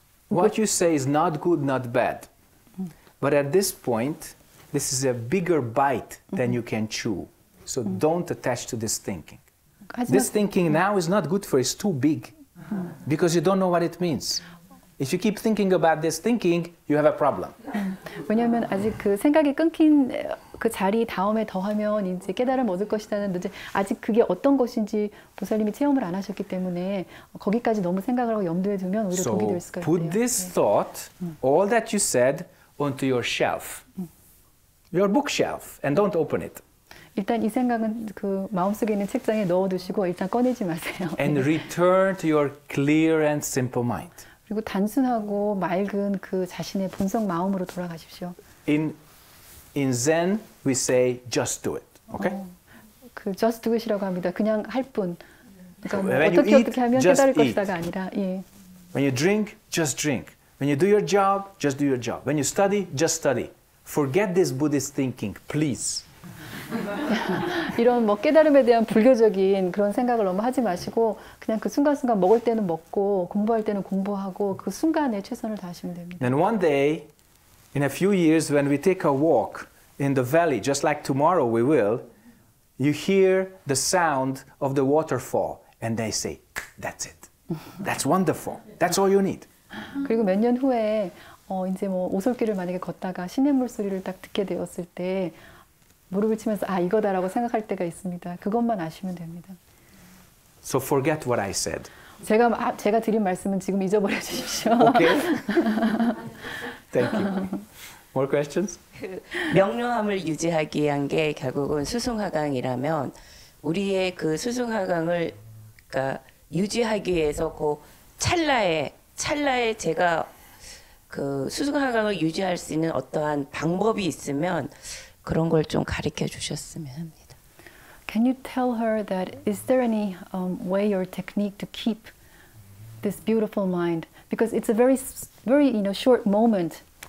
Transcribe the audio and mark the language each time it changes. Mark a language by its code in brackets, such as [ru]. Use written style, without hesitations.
[en] what you say is not good, not bad. But at this point, this is a bigger bite than you can chew. So don't attach to this thinking. This thinking now is not good for you. It's too big because you don't know what it means. If you keep thinking about this thinking, you have a problem. [ko] 왜냐하면 아직 그 생각이 끊긴 그 자리 다음에 더하면 이제 깨달음 얻을 것이라는 이제 아직 그게 어떤 것인지 보살님이 체험을 안 하셨기 때문에 거기까지 너무 생각을 하고 염두에 두면 오히려 독이 될 수가 있어요. [en] So put this thought, all that you said, onto your shelf, your bookshelf, and don't open it. [ko] 일단 이 생각은 그 마음속에 있는 책장에 넣어두시고 일단 꺼내지 마세요. [en] And return to your clear and simple mind. [ko] 그리고 단순하고 맑은 그 자신의 본성 마음으로 돌아가십시오. [en] In Zen, we say just do it. Okay? [ko] 그 [en] just do it [ko] 이라고 합니다. 그냥 할 뿐. 그러니까 어떻게 하면 깨달을 것이다가 아니라. 예. [en] When you drink, just drink. When you do your job, just do your job. When you study, just study. Forget this Buddhist thinking, please. [ko] 이런 뭐 깨달음에 대한 불교적인 그런 생각을 너무 하지 마시고 그냥 그 순간순간 먹을 때는 먹고 공부할 때는 공부하고 그 순간에 최선을 다하시면 됩니다. [en] Then one day, in a few years, when we take a walk in the valley, just like tomorrow we will, you hear the sound of the waterfall, and they say, "That's it. That's wonderful. That's all you need." [ko] 그리고 몇 년 후에 이제 뭐 오솔길을 만약에 걷다가 시냇물 소리를 딱 듣게 되었을 때. 무릎을 치면서 아 이거다라고 생각할 때가 있습니다. 그것만 아시면 됩니다. So forget what I said. 제가 드린 말씀은 지금 잊어버려 주십시오. Okay. Thank you. More questions? 명료함을 유지하기 위한 게 결국은 수승화강이라면 우리의 그 수승화강을 그러니까 유지하기 위해서 그 찰나에 제가 그 수승화강을 유지할 수 있는 어떠한 방법이 있으면 그런 걸 좀 가르쳐 주셨으면 합니다. [en] Can you tell her that is there any way or technique to keep this beautiful mind? Because it's a very, very, you know, short moment.